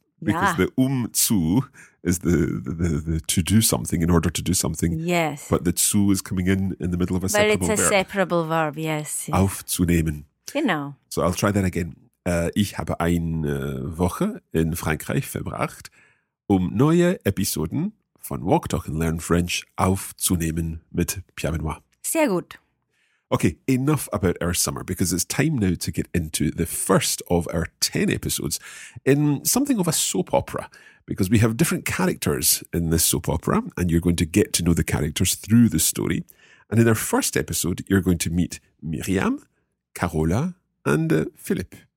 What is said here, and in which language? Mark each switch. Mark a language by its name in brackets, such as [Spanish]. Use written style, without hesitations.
[English] Because the zu is the to do something, in order to do something. Yes. But the zu is coming in the middle of a separable verb. But it's a separable verb, yes. [German] Aufzunehmen. Genau. [English] So I'll try that again. [German] Ich habe eine Woche in Frankreich verbracht, um neue Episoden von Walk, Talk and Learn French aufzunehmen mit Pierre Benoit. Sehr gut. [English] Okay, enough about our summer, because it's time now to get into the first of our 10 episodes in something of a soap opera, because we have different characters in this soap opera, and you're going to get to know the characters through the story. And in our first episode, you're going to meet Miriam, Carola, and Philippe.